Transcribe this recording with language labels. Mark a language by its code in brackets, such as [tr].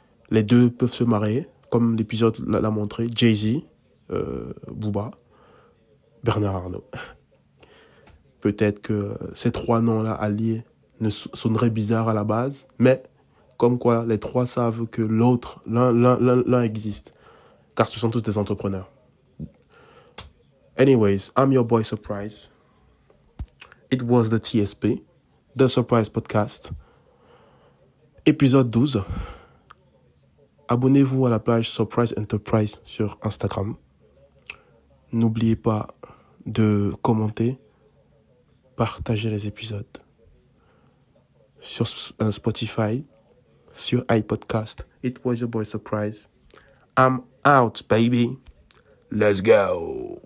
[fr] Les deux peuvent se marier, comme l'épisode l'a montré, Jay-Z, Booba, Bernard Arnault. Peut-être que ces trois noms-là alliés ne sonneraient bizarres à la base, mais comme quoi les trois savent que l'autre, l'un existe, car ce sont tous des entrepreneurs. [en] Anyways, I'm your boy Surprise. It was the TSP, the Surprise Podcast, épisode 12. [fr] Abonnez-vous à la page Surprise Enterprise sur Instagram. N'oubliez pas de commenter, partager les épisodes sur Spotify, sur iPodcast. [en] It was your boy Surprise. I'm out, baby. Let's go.